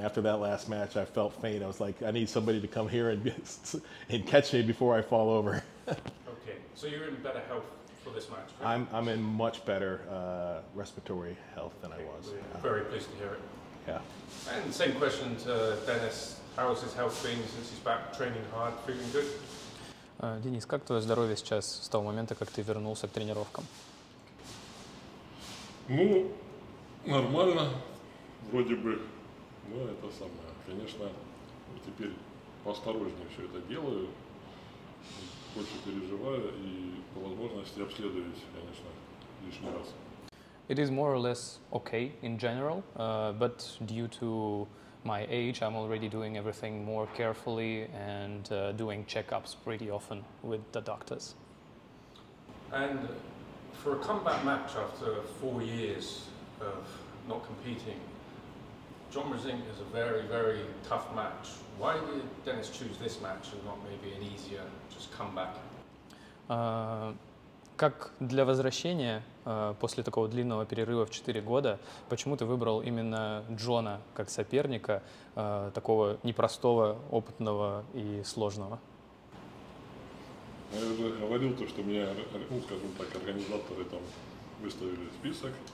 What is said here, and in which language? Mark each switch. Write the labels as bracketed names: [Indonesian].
[English] After that last match, I felt faint. I was like, I need somebody to come here and catch me before I fall over. Okay, so you're in better health for this match, right? I'm in much better respiratory health than I was. Very pleased to hear it. Yeah. And same question to Denis. How has his health been since he's back training hard, feeling good? [Russian] Денис, как твое здоровье сейчас с того момента, как ты вернулся к тренировкам? Ну, нормально, вроде бы. Но это самое. Конечно, теперь поосторожнее все это делаю. Больше переживаю и по возможности обследуюсь, конечно, лишний раз. [English] It is more or less okay in general, but due to my age, I'm already doing everything more carefully and doing checkups pretty often with the doctors. And for a comeback match after 4 years of not competing, John Brzenk is a very, very tough match. Why did Denis choose this match and not maybe an easier just comeback? [Russian] Как для возвращения после такого длинного перерыва в 4 года, почему ты выбрал именно Джона как соперника, такого непростого, опытного и сложного? Я уже говорил, то, что меня, ну, скажем так, организаторы там выставили список.